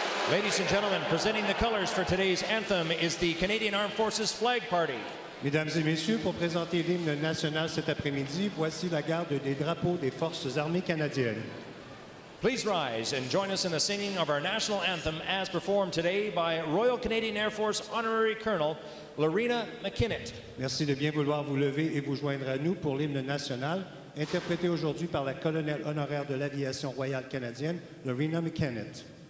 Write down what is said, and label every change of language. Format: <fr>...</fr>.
<en>Ladies and gentlemen, presenting the colors for today's anthem is the Canadian Armed Forces Flag Party.</en> <fr>Mesdames et messieurs, pour présenter l'hymne national cet après-midi, voici la garde des drapeaux des forces armées canadiennes.</fr> <en>Please rise and join us in the singing of our national anthem as performed today by Royal Canadian Air Force Honorary Colonel Lorena McKinnitt.</en> <fr>Merci de bien vouloir vous lever et vous joindre à nous pour l'hymne national, interprété aujourd'hui par la colonelle honoraire de l'aviation royale canadienne, Lorena McKinnitt.</fr>